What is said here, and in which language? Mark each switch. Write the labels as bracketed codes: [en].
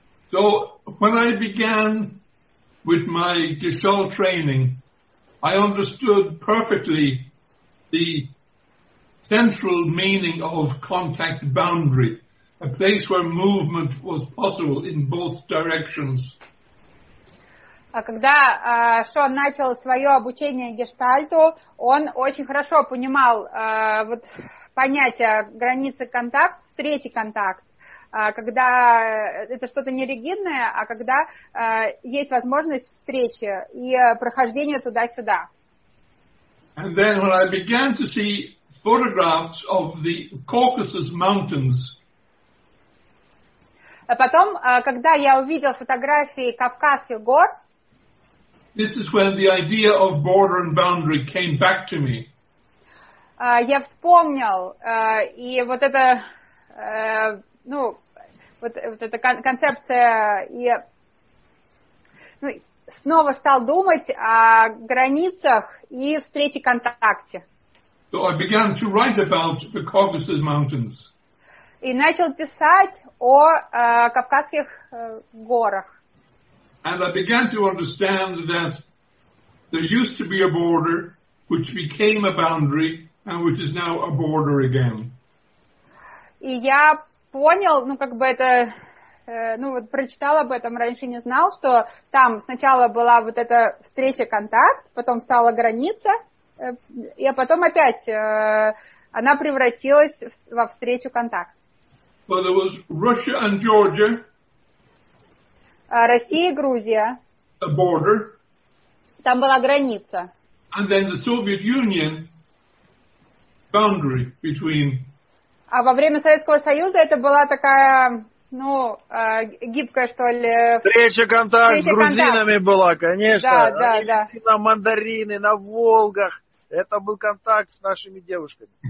[en] So when I began with my Gestalt training, I understood perfectly the central meaning of contact boundary, a place where movement was possible in both directions. [ru] А когда Шон начал свое обучение гештальту, он очень хорошо понимал вот понятие границы контакт, встречи контакт, когда это что-то не ригидное, а когда есть возможность встречи и прохождения туда-сюда. [en] And then when I began to see photographs of the Caucasus Mountains. [ru] А потом, когда я увидел фотографии Кавказских гор, [en] this is when the idea of border and boundary came back to me. [ru] Я вспомнил, и вот это, ну, вот эта концепция, и ну, снова стал думать о границах и встрече контакте. [en] So I began to write about the Caucasus Mountains. [ru] И начал писать о Кавказских горах. [en] And I began to understand that there used to be a border which became a boundary and which is now a border again. [ru] И я понял, ну как бы это, ну вот прочитал об этом, раньше не знал, что там сначала была вот эта встреча-контакт, потом стала граница, и потом опять она превратилась во встречу-контакт. [en] So there was Russia and Georgia. [ru] Россия и Грузия. [en] A border. [ru] Там была граница. [en] And then the Soviet Union, boundary between. [ru] А во время Советского Союза это была такая, ну, гибкая, что ли. Встреча-контакт с грузинами была, конечно. Да. На мандарины, на Волгах. Это был контакт с нашими девушками.